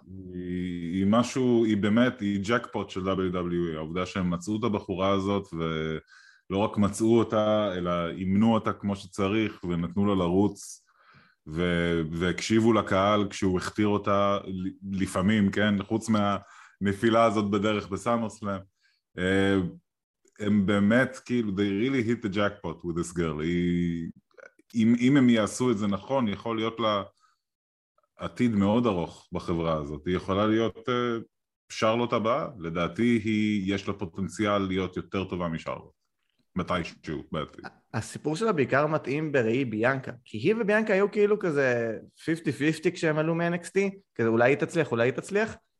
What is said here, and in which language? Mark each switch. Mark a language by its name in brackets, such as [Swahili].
[Hebrew] היא משהו, היא באמת, היא ג'קפוט של WWE, העובדה שהם מצאו את הבחורה הזאת, ולא רק מצאו אותה, אלא אימנו אותה כמו שצריך, ונתנו לה לרוץ, והקשיבו לקהל כשהוא הכתיר אותה, לפעמים, כן? חוץ מהנפילה הזאת בדרך בסאמרסלאם. הם באמת, כאילו, [English] they really hit the jackpot with this girl. [Hebrew] אם הם יעשו את זה נכון, יכול להיות לה עתיד מאוד ארוך בחברה הזאת. היא יכולה להיות שרלוט הבאה. לדעתי, יש לה פוטנציאל להיות יותר טובה משרלוט. מתישהו, בעתיד. הסיפור שלה בעיקר מתאים בראי ביאנקה. כי היא וביאנקה היו כאילו כזה 50-50 כשהם עלו מ-NXT, כזה אולי תצליח, אולי תצליח.